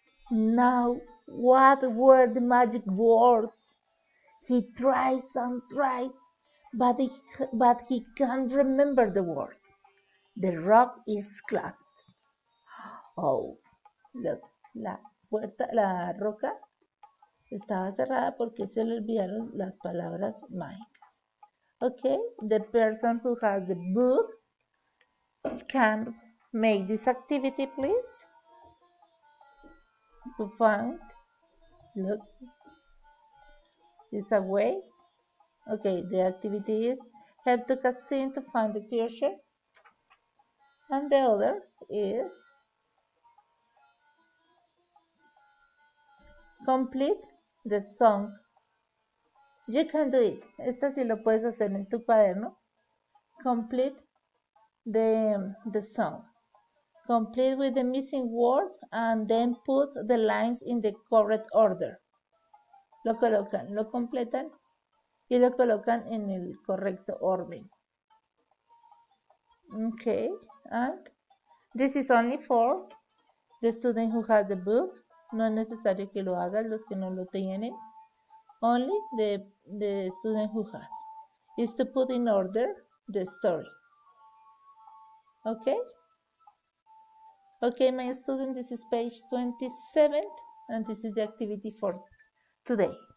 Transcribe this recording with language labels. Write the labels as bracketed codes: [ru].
[en] Now, what were the magic words? He tries and tries, but he can't remember the words. The rock is clasped. Oh, look, [es] la puerta, la roca estaba cerrada porque se le olvidaron las palabras mágicas. [en] Okay, the person who has the book can make this activity, please. We found, look, this away. Okay, the activity is help to Cassine to find the treasure, and the other is complete the song. You can do it. [es] Esta sí lo puedes hacer en tu cuaderno. [en] Complete the song. Complete with the missing words and then put the lines in the correct order. [es] Lo colocan, lo completan y lo colocan en el correcto orden. [en] Okay, and this is only for the student who has the book. [es] No es necesario que lo hagan los que no lo tienen. [en] Only the student who has is to put in order the story. Okay? Okay, my student, this is page 27, and this is the activity for today.